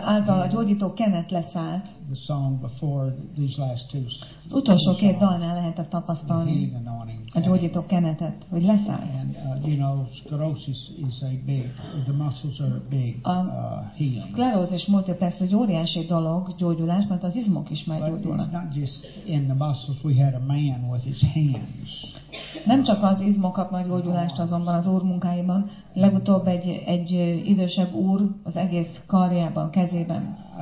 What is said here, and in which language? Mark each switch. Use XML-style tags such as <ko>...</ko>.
<hu>által a gyógyító kenet leszállt.</hu> <en>The song before these last two,</en> <hu>az utolsó két dalnál lehetett tapasztalni a gyógyító kenetet, hogy leszállt.</hu> <en>And, you know, sclerosis is a big, the muscles are big, healing.</en> <hu>Sklerózis multiplex egy óriási dolog, gyógyulás, mert az izmok is meggyógyulnak.</hu> <en>But it's not just in the muscles, we had a man with his hands.</en> <hu>Nem csak az izmok kap majd gyógyulást azonban az Úr munkáiban. Legutóbb egy idősebb úr az egész karjában, kezében.</hu>